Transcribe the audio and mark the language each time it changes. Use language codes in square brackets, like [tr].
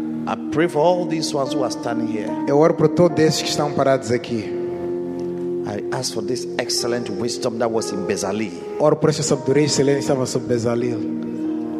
[en] I pray for all these ones who are standing here. [pt] Eu oro por todos esses que estão parados aqui. [en] I ask for this excellent wisdom that was in Bezalel. [pt] Oro por essa sabedoria excelente que estava sobre Bezalel.